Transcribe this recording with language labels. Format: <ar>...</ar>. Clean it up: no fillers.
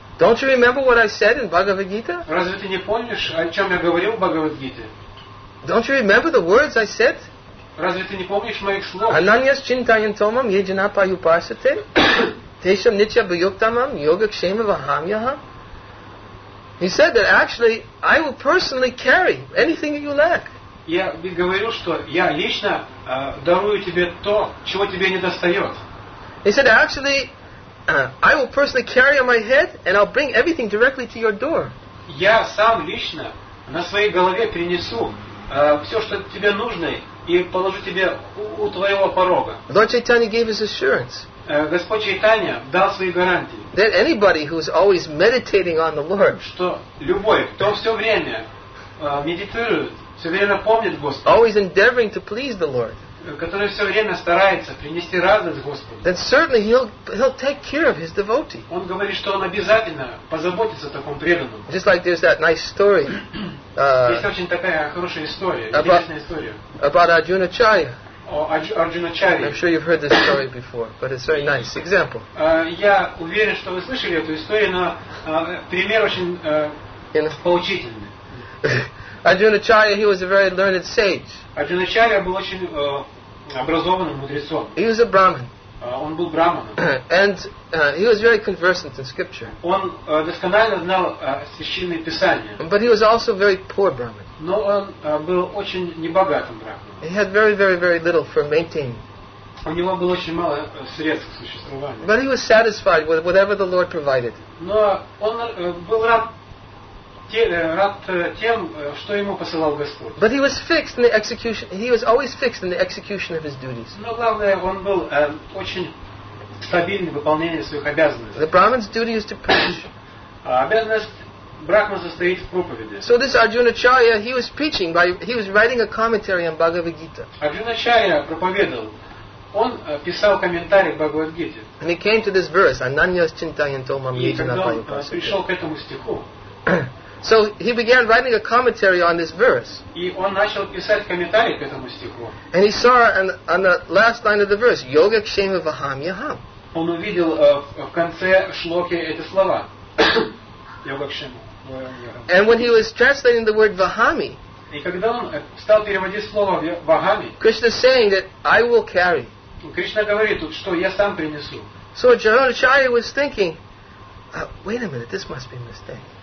<en>Don't you remember what I said in Bhagavad Gita?</en> <ru>Разве ты не помнишь, о чем я говорил в Bhagavad Gita?</ru> <en>Don't you remember the words I said?</en> <ru>Разве ты не помнишь моих слов?</ru> <sa>Ананьяс чинтайан томам еджана паюпасате тешам нитья буйоктамам йога кшема вахамьяха.</sa> <en>He said that actually I will personally carry anything that you lack.</en> <ru>Я говорил, что я лично дарую тебе то, чего тебе не достает.</ru> <en>He said, actually, I will personally carry on my head and I'll bring everything directly to your door.</en> <ru>Я сам лично на своей голове принесу все, что тебе нужно, и положу тебе у твоего порога.</ru> <en>Lord Chaitanya gave his assurance.</en> <ru>Господь Чайтанья дал свои гарантии.</ru> <en>That anybody who's always meditating on the Lord.</en> <ru>Что любой, кто все время медитирует, все время помнит Господа.</ru> <en>Always endeavoring to please the Lord.</en> <ru>Который все время старается принести радость Господу.</ru> <en>Then certainly he'll take care of his devotee.</en> <ru>Он говорит, что он обязательно позаботится о таком преданном.</ru> <en>Just like there's that nice story.</en> <ru>Есть очень такая хорошая история, интересная история.</ru> <en>About Arjunacharya.</en> <ru>Arjunacharya.</ru> <en>I'm sure you've heard this story before, but it's very nice example.</en> <ru>Я уверен, что вы слышали эту историю, но пример очень поучительный.</ru> <en>Arjunacharya, he was a very learned sage.</en> <ru>Arjunacharya был очень образованным мудрецом.</ru> <en>He was a Brahmin.</en> <ru>Он был Брахманом.</ru> <en>And he was very conversant in scripture.</en> <ru>Он досконально знал священные писания.</ru> <en>But he was also very poor Brahmin.</en> <ru>Но он был очень небогатым Брахманом.</ru> <en>He had very, very, very little for maintaining.</en> <ru>У него было очень мало средств к существованию.</ru> <en>But he was satisfied with whatever the Lord provided.</en> <ru>Но он был рад тем, что ему посылал Господь.</ru> <en>But he was fixed in the execution. He was always fixed in the execution of his duties.</en> <ru>Но главное, он был очень стабильный в выполнении своих обязанностей.</ru> <en>The Brahmin's duty is to preach.</en> <ru>Обязанность Брахмана состоит в проповеди.</ru> <en>So this Arjunacharya, he was preaching by, he was writing a commentary on Bhagavad Gita.</en> <ru>Arjunacharya проповедовал. Он писал комментарий к Бхагавад-гите.</ru> <en>And he came to this verse,</en> <sa>Ananyas Chintayanto Mam Yejana Paripasaka.</sa> <ru>И когда он пришел к этому стиху.</ru> <en>So he began writing a commentary on this verse.</en> <ru>И он начал писать комментарий к этому стиху.</ru> <en>And he saw on the last line of the verse,</en> <sa>Yoga Kshema Vaham Yaham.</sa> <ru>Он увидел в конце шлоки эти слова.</ru> <sa>Yoga Kshema Vaham</sa> <en>Yaham. And when he was translating the word Vahami,</en> <ru>и когда он стал переводить слово Вахами,</ru> <en>Krishna saying that I will carry.</en> <ru>Кришна говорит тут, что я сам принесу.</ru> <en>So Arjunacharya was thinking, wait a minute, this must be a mistake.</en>